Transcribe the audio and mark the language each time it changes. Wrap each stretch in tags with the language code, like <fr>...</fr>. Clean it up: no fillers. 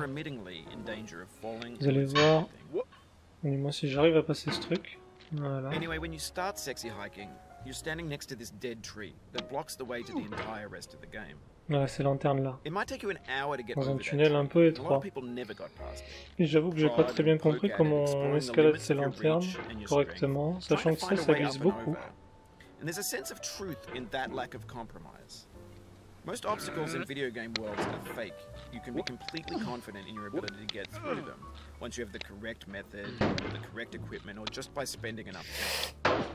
<fr>Vous allez voir. Dis-moi si j'arrive à passer ce truc. Voilà.</fr> <en>Anyway, when you start sexy hiking, you're standing next to this dead tree that blocks the way to the entire rest of the game.</en> <fr>Ah, ces lanternes là.</fr> <en>It might take you an hour to get</en> <fr>dans un tunnel un peu étroit. Et j'avoue que j'ai pas très bien compris comment on escalade ces lanternes correctement, sachant que ça glisse beaucoup.</fr> <en>And there's a sense of truth in that lack of compromise. Most obstacles in video game worlds are fake. You can be completely confident in your ability to get through them once you have the correct method, the correct equipment, or just by spending enough time.</en>